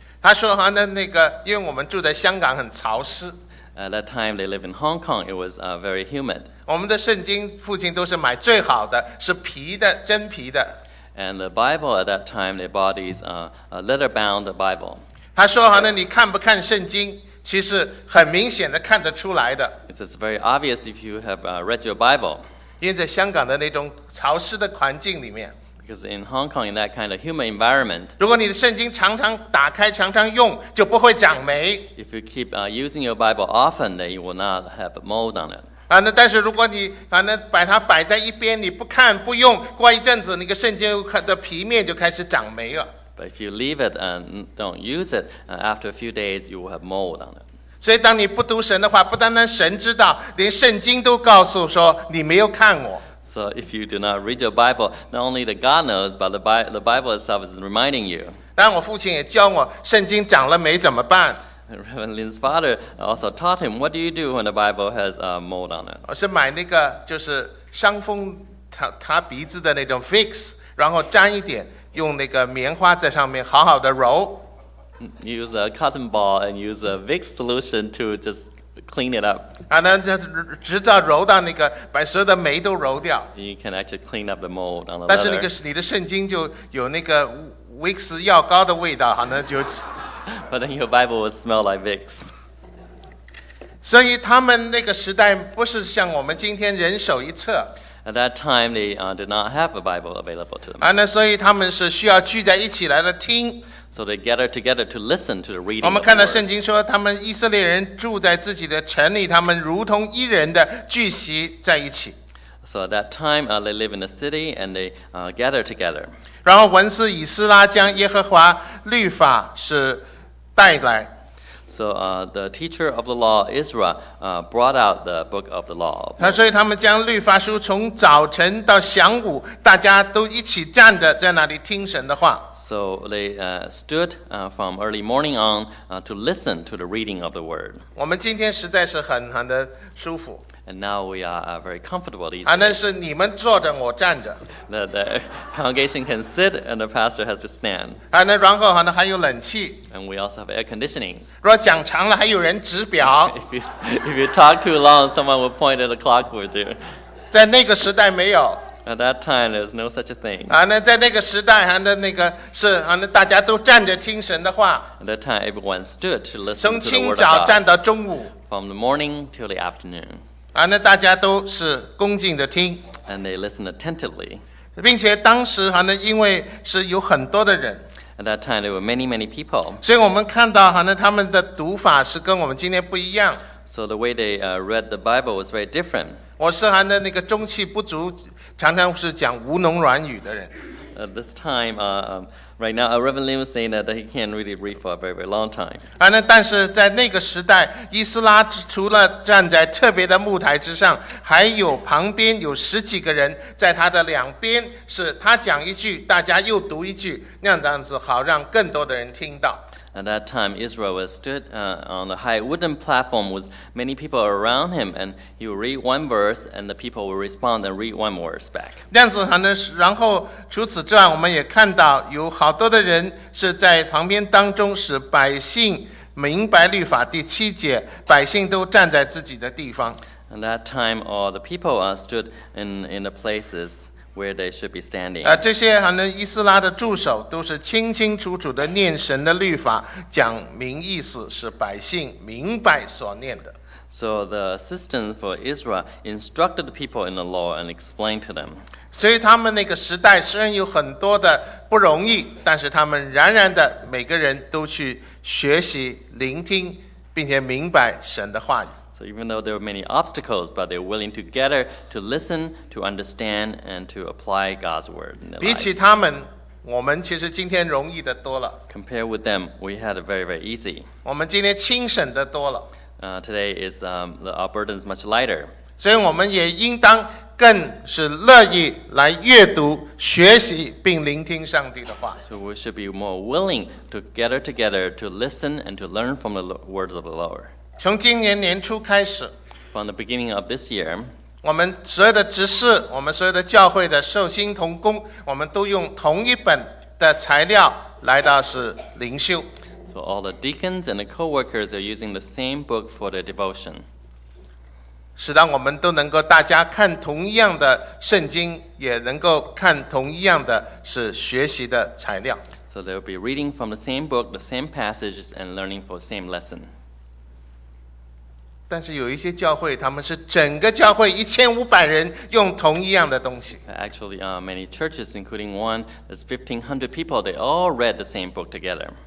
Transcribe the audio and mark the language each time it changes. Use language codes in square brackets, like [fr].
[zh] 他说那个因为我们住在香港很潮湿。 [en] At that time, they live in Hong Kong. It was very humid. [zh] 我们的圣经父亲都是买最好的，是皮的，真皮的。 [en] And the Bible at that time, they bought these leather-bound Bible. [zh] 他说好呢，你看不看圣经，其实很明显的看得出来的。 [en] It's very obvious if you have read your Bible. [zh] 因为在香港的那种潮湿的环境里面。 [en] Because in Hong Kong, in that kind of humid environment. [zh] 如果你的圣经常常打开，常常用，就不会长霉。 [en] If you keep using your Bible often, then you will not have mold on it. [zh] 但是如果你把它摆在一边，你不看不用，过一阵子，那个圣经的皮面就开始长霉了。 [en] But if you leave it and don't use it, after a few days, you will have mold on it. [zh] 所以当你不读神的话，不单单神知道，连圣经都告诉说你没有看我。 [en] So if you do not read your Bible, not only the God knows, but the Bible itself is reminding you. [zh] 当我父亲也教我，圣经长了霉怎么办？ [en] Reverend Lin's father also taught him, what do you do when the Bible has mold on it? [zh] 我是买那个就是伤风擦鼻子的那种 Vicks, 然后沾一点。用那个棉花在上面好好的揉。 [en] Use a cotton ball and use a Vicks solution to just clean it up. [zh] 直到揉到那个把所有的霉都揉掉。 [en] You can actually clean up the mold on the leather. [zh] 但是那个你的圣经就有那个 Vicks 药膏的味道，好像就。 [en] But then your Bible will smell like Vicks. [zh] 所以他们那个时代不是像我们今天人手一册。 [en] At that time, they did not have a Bible available to them. [zh] 所以他们是需要聚在一起来的听。 [en] So they gather together to listen to the reading. [zh] 我们看到圣经说，他们以色列人住在自己的城里，他们如同一人的聚集在一起。 [en] So at that time, they live in the city and they gather together. [zh] 然后文士以斯拉将耶和华律法是带来。 [en] So the teacher of the law, Israel, brought out the book of the law. [zh] 所以他们将律法书从早晨到晌午，大家都一起站着在那里听神的话。 [en] So they stood from early morning on to listen to the reading of the word. [zh] 我们今天实在是很的舒服。 [en] And now we are very comfortable these days. [zh] 是你们坐着，我站着。 [en] The congregation can sit and the pastor has to stand. [zh] 然后还有冷气。 [en] And we also have air conditioning. [zh] 若讲长了，还有人指表。 [en] If you talk too long, someone will point at the clock for you. [zh] 在那个时代没有。 [en] At that time, there's no such a thing. [zh] 在那个时代，大家都站着听神的话。 [en] At that time, everyone stood to listen to the word of God. [zh] 从清早站到中午。 [en] From the morning till the afternoon. [zh] 那大家都是恭敬的听 [en] ，and they listen attentively， [zh] 并且当时因为是有很多的人 [en] ，at that time there were many many people， [zh] 所以我们看到他们的读法是跟我们今天不一样 [en] ，so the way they read the Bible was very different。 [zh] 我是那个中气不足，常常是讲吴侬软语的人 [en] ，at this time right now, Reverend Lin was saying that he can't really read for a very, very long time. [zh] 但是在那个时代，伊斯拉除了站在特别的木台之上，还有旁边有十几个人在他的两边，是他讲一句，大家又读一句，那样子好让更多的人听到。 [en] At that time, Israel was stood on a high wooden platform with many people around him, and he would read one verse, and the people would respond and read one verse back. [zh] 然后除此之外，我们也看到有好多的人是在旁边当中，使百姓明白律法第七节，百姓都站在自己的地方。 [en] At that time, all the people are stood in the places where they should be standing. [zh] 这些好像伊斯拉的助手都是清清楚楚的念神的律法，讲明意思，使百姓明白所念的。 [en] So the assistant for Israel instructed the people in the law and explained to them. [zh] 所以他们那个时代虽然有很多的不容易，但是他们仍然的每个人都去学习聆听，并且明白神的话语。 [en] So even though there are many obstacles, but they're willing to gather to listen, to understand, and to apply God's word in their lives. [zh] 比起他们，我们其实今天容易的多了。 [en] Compared with them, we had it very, very easy. [zh] 我们今天轻省的多了。 [en] Today is our burden is much lighter. [zh] 所以我们也应当更是乐意来阅读、学习并聆听上帝的话。 [en] So we should be more willing to gather together to listen and to learn from the words of the Lord. [zh] 从今年年初开始 [en] ，From the beginning of this year， [zh] 我们所有的执事，我们所有的教会的受薪同工，我们都用同一本的材料来到是灵修。 [en] So all the deacons and the co-workers are using the same book for the devotion， [zh] 使得我们都能够大家看同一样的圣经，也能够看同一样的是学习的材料。 [en] So they will be reading from the same book, the same passages, and learning for the same lesson. [zh] 但是有一些教会，他们是整个教会1500人用同一样的东西。 [en] Actually, many churches, including one that's 1500 people, they all read the same book together.